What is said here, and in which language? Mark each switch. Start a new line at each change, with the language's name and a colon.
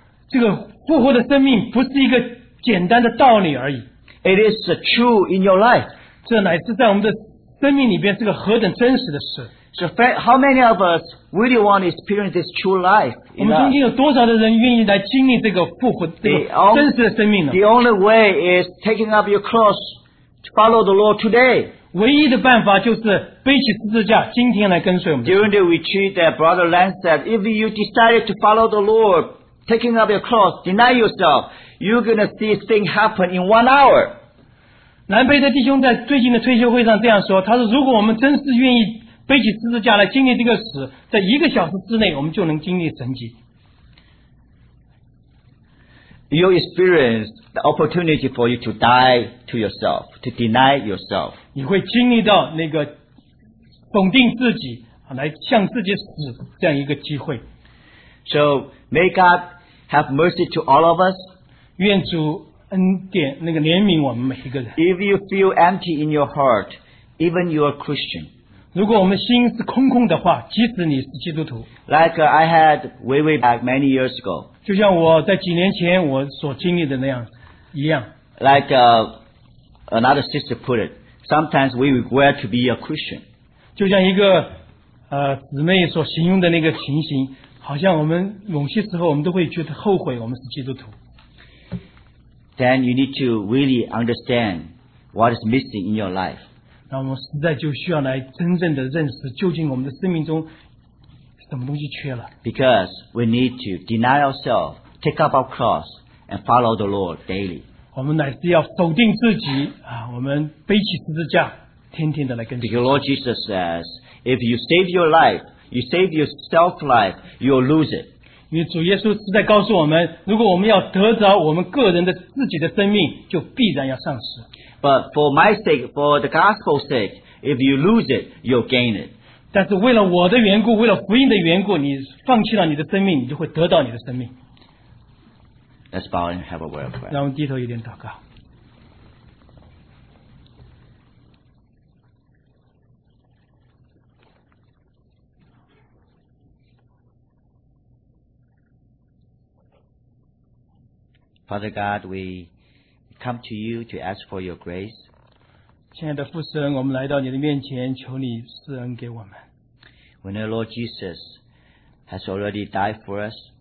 Chinese: 这个复活的生命不是一个简单的道理而已。
English: It is true in your life.
Chinese: 这乃是在我们的生命里边是个何等真实的事。
English: So, how many of us really want to experience this true life?
Chinese: 我们中间有多少的人愿意来经历这个复活、这个真实的生命呢
English: ？The only way is taking up your cross to follow the Lord today.
Chinese: 唯一的办法就是背起十字架，今天来跟随我们。
English: During the retreat, that Brother Lance said, if you decided to follow the Lord, taking up your cross, deny yourself, you're going to see things happen in 1 hour.
Chinese: 南北的弟兄在最近的退休会上这样说，他说如果我们真是愿意背起十字架来经历这个死，在一个小时之内我们就能经历神迹。
English: You experience the opportunity for you to die to yourself, to deny yourself.
Chinese: 你会经历到那个否定自己，来向自己死这样一个机会。
English: So may God have mercy to all of us.
Chinese: 愿主恩典那个怜悯我们每一个人。
English: If you feel empty in your heart, even you are Christian.
Chinese: 如果我们心是空空的话，即使你是基督徒。
English: Like I had way back many years ago.
Chinese: 就像我在几年前我所经历的那样一样。
English: Like another sister put it, sometimes we regret to be a Christian.
Chinese: 就像一个姊妹所形容的那个情形，好像我们某些时候我们都会觉得后悔我们是基督徒。
English: Then you need to really understand what is missing in your life.
Chinese: 那我们实在就需要来真正的认识究竟我们的生命中什么东西缺了。
English: Because we need to deny ourselves, take up our cross, and follow the Lord daily.
Chinese: 我们乃是要否定自己，我们背起十字架，天天的来跟随。
English: Because Lord Jesus says, if you save your life, you save yourself life, you'll lose it.
Chinese: 因为主耶稣实在告诉我们，如果我们要得着我们个人的自己的生命，就必然要丧失。
English: But for my sake, for the gospel's sake, if you lose it, you'll gain it.
Chinese: 但是为了我的缘故，为了福音的缘故，你放弃了你的生命，你就会得到你的生命。
English: Let's bow and have a word of prayer.
Chinese: 让我们低头一点祷告。
English: Father God, we come to you to ask for your grace.
Chinese: 亲爱的父神，我们来到你的面前，求你赐恩给我们。
English: When our Lord Jesus has already died for us,